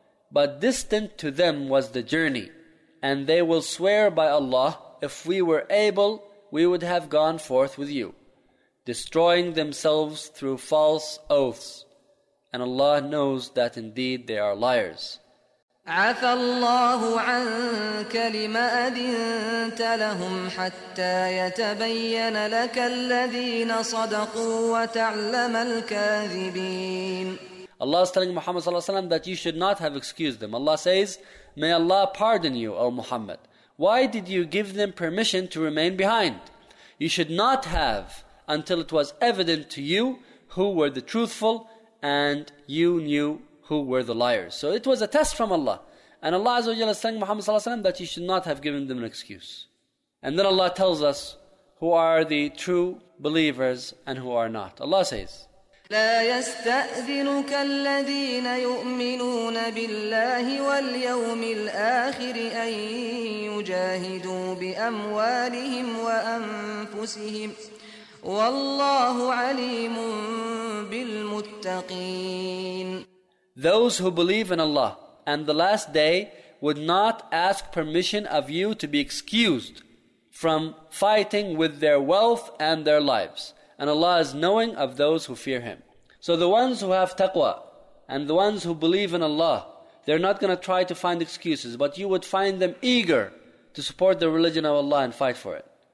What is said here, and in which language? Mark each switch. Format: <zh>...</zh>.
<en>But distant to them was the journey, and they will swear by Allah, if we were able, we would have gone forth with you, destroying themselves through false oaths. And Allah knows that indeed they are liars.</en> <ar>عفى الله عنك لما أذنت لهم حتى يتبين لك الذين صدقوا وتعلم الكاذبين</ar> <en>Allah is telling Muhammad</en> <ar>صلى الله عليه وسلم</ar> <en>that you should not have excused them. Allah says, May Allah pardon you, O Muhammad. Why did you give them permission to remain behind? You should not have until it was evident to you who were the truthful and you knew who were the liars. So it was a test from Allah. And Allah Azza wa Jalla is telling Muhammad Sallallahu Alaihi Wasallam that he should not have given them an excuse. And then Allah tells us who are the true believers and who are not. Allah says,</en> <ar>لا يستأذنك الذين يؤمنون بالله واليوم الآخر أن يجاهدوا بأموالهم وأنفسهم والله عليم بالمتقين</ar> <en>Those who believe in Allah and the last day would not ask permission of you to be excused from fighting with their wealth and their lives. And Allah is knowing of those who fear Him. So the ones who have taqwa and the ones who believe in Allah, they're not going to try to find excuses, but you would find them eager to support the religion of Allah and fight for it.</en>